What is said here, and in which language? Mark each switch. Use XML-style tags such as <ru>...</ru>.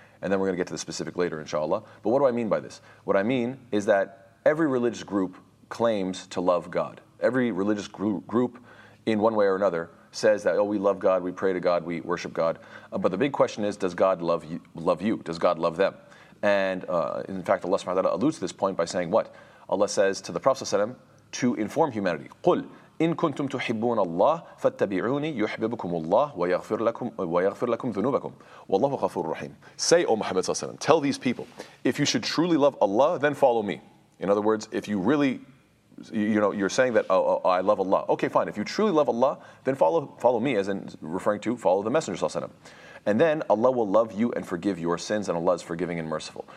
<en>And then we're going to get to the specific later, inshallah. But what do I mean by this? What I mean is that every religious group claims to love God. Every religious group, in one way or another, says that, oh, we love God, we pray to God, we worship God. But the big question is, does God love you? Does God love them? And in fact, Allah subhanahu wa ta'ala alludes to this point by saying what? Allah says to the Prophet ﷺ to inform humanity,</en> <ar>قُلْ إِن كُنْتُمْ تُحِبُّونَ اللَّهَ فَاتَّبِعُونِي يُحْبِبُكُمُ اللَّهُ وَيَغْفِرْ لَكُمْ ذُنُوبَكُمْ وَاللَّهُ غَفُورٌ رَحِيمٌ.</ar> <en>Say, O Muhammad sallallahu alayhi wa sallam, tell these people, if you should truly love Allah, then follow me. In other words, if you really, you know, you're saying that, oh, I love Allah. Okay, fine. If you truly love Allah, then follow me, as in referring to follow the Messenger sallallahu alayhi wa sallam. And then Allah will love you and forgive your sins, and Allah is forgiving and merciful.</en>